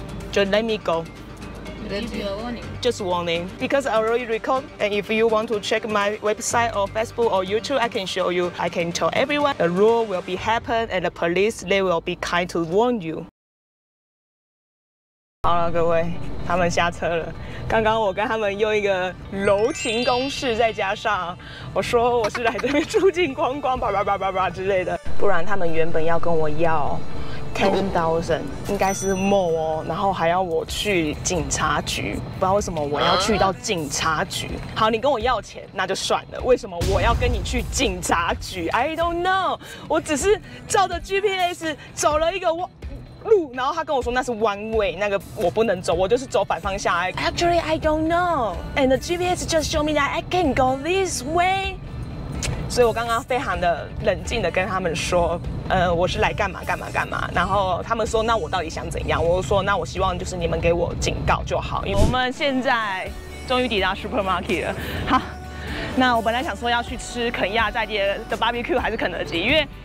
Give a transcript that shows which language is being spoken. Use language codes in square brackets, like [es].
[en] Just let me go. Give you a warning. Just warning. Because I already record. And if you want to check my website or Facebook or YouTube, I can show you. I can tell everyone. The rule will be happen and the police, they will be kind to warn you. [zh] 好了，各位，他们下车了。刚刚我跟他们用一个柔情攻势，再加上我说我是来这边出境观光，叭叭叭叭叭之类的。不然他们原本要跟我要 10,000， 应该是 more 哦。然后还要我去警察局，不知道为什么我要去到警察局。好，你跟我要钱那就算了，为什么我要跟你去警察局 ？ I don't know，我只是照着 GPS 走了一个路，然后他跟我说那是弯位，那个我不能走，我就是走反方向。 [en] Actually, I don't know. And the GPS just showed me that I can go this way. [zh] 所以我刚刚非常的冷静的跟他们说，我是来干嘛干嘛干嘛。然后他们说，那我到底想怎样？我说，那我希望就是你们给我警告就好。我们现在终于抵达 supermarket 了。好，那我本来想说要去吃肯亚在地的 barbecue 还是肯德基，因为。